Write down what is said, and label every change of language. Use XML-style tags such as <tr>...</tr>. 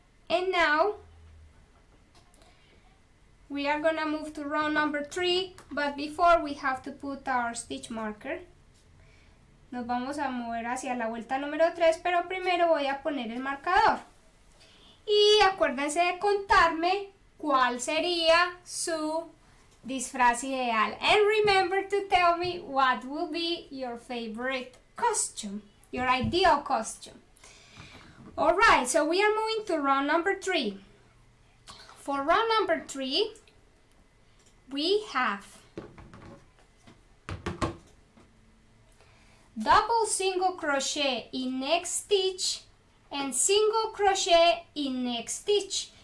<en>And now, we are gonna move to round number 3. But before, we have to put our stitch marker.</en> <es>Nos vamos a mover hacia la vuelta número 3. Pero primero voy a poner el marcador. Y acuérdense de contarme cuál sería su disfraz ideal.</es> <en>And remember to tell me what will be your favorite costume, your ideal costume. All right, so we are moving to round number 3. For round number 3, we have double single crochet in next stitch and single crochet in next stitch.</en>